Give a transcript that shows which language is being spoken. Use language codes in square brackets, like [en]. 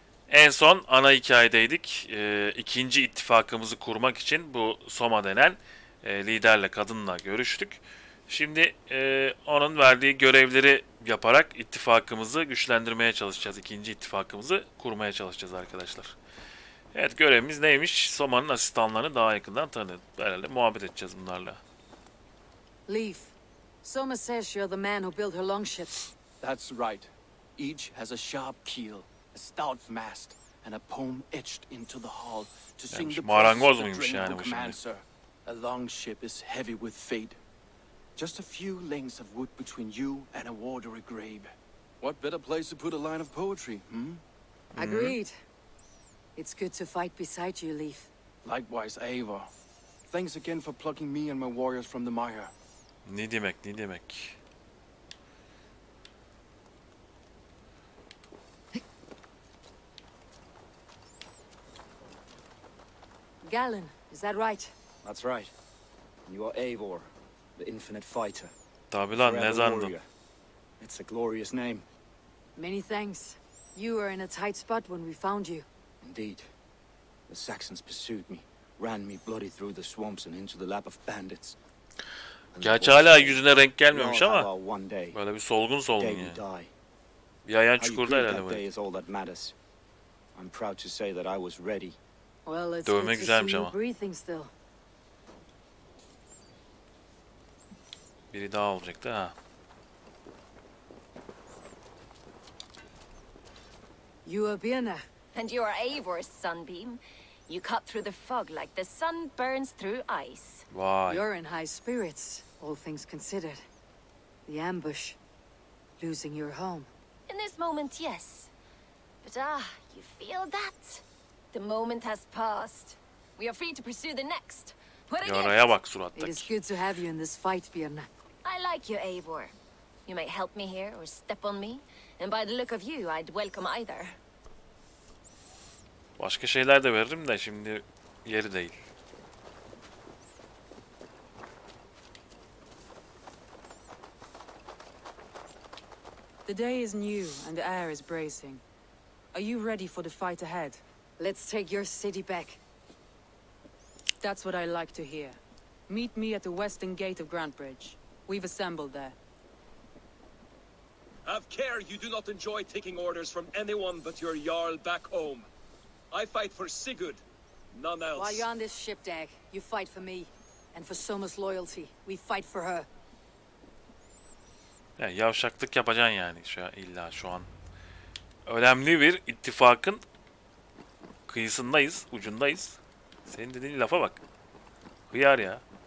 [tr] En son ana hikayedeydik. İkinci ittifakımızı kurmak için bu Soma denen liderle, kadınla görüştük. Şimdi onun verdiği görevleri yaparak ittifakımızı güçlendirmeye çalışacağız. İkinci ittifakımızı kurmaya çalışacağız arkadaşlar. Evet, görevimiz neymiş? Soma'nın asistanlarını daha yakından tanıdık. Herhalde muhabbet edeceğiz bunlarla. [en] Leif, Soma says you're the man who built her longship. That's right. Each has a sharp keel, a stout mast, and a poem etched into the hull to sing [tr] yani [en] the [tr] marangoz muymuş yani bu şimdi? [en] A longship is heavy with fate. Just a few lengths of wood between you and a watery grave. What better place to put a line of poetry, hmm? Agreed. It's good to fight beside you, Leif. Likewise, Eivor. Thanks again for plucking me and my warriors from the mire. [tr] Ne demek, ne demek? [en] Galen, is that right? That's right. You are Eivor, the infinite fighter. [tr] Tabii lan, ne zannın? [en] It's a glorious name. Many thanks. You were in a tight spot when we found you. Indeed. The Saxons pursued me, ran me bloody through the swamps and into the lap of bandits. [tr] Gerçi hala yüzüne renk gelmemiş ama böyle bir solgun solgun ya. Yani. Bir ayağın çukurda herhalde böyle. [en] I'm proud to say that I was ready. Well, it's [tr] dövme güzelmiş ama. [en] Breathing still. [tr] Biri daha olacaktı ha. [en] You are Birna. And you are Eivor's sunbeam. You cut through the fog like the sun burns through ice. Why? You're in high spirits, all things considered. The ambush, losing your home. In this moment, yes. But ah, you feel that? The moment has passed. We are free to pursue the next. What [tr] Yaraya bak surattaki. [en] It is good to have you in this fight, Birna. I like you, Eivor. You may help me here or step on me. And by the look of you, I'd welcome either. [tr] Başka şeyler de veririm de şimdi yeri değil. [en] The day is new and the air is bracing. Are you ready for the fight ahead? Let's take your city back. That's what I like to hear. Meet me at the western gate of Grantbridge. We've assembled there. Have care, you do not enjoy taking orders from anyone but your jarl back home. I fight for Sigurd, none else. While you're on this ship, Dag, you fight for me, and for Soma's loyalty. We fight for her. [tr] Ya yavşaklık yapacaksın yani şu an, illa şu an. Önemli bir ittifakın kıyısındayız, ucundayız. Senin dediğin lafa bak. Hıyar ya.